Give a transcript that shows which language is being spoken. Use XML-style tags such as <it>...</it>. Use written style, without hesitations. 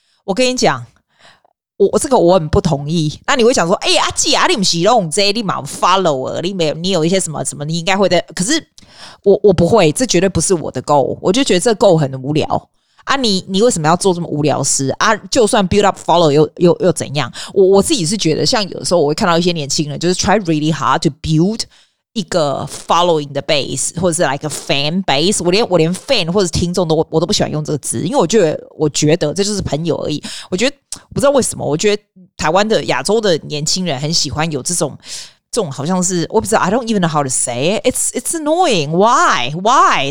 <zh>我跟你讲，我这个我很不同意。那你会想说，哎，阿姐，你不是都用这个，你也有 follower, 你有一些什么什么，你应该会的。可是我不会，这绝对不是我的 goal, 我就觉得这 goal 很无聊。啊，你为什么要做这么无聊事啊？就算 build up follow 又怎样？我自己是觉得，像有时候我会看到一些年轻人，就是</zh> <en>try really hard to build</en> <zh>一个 following 的 base, 或者是</zh> <en>like a fan base,</en> <zh>我连 fan 或者听众我都不喜欢用这个词，因为我觉得这就是朋友而已。我觉得不知道为什么，我觉得台湾的亚洲的年轻人很喜欢有这种好像是，我不知道 ,</zh> <en>I don't even know how to say it's annoying, why?</en>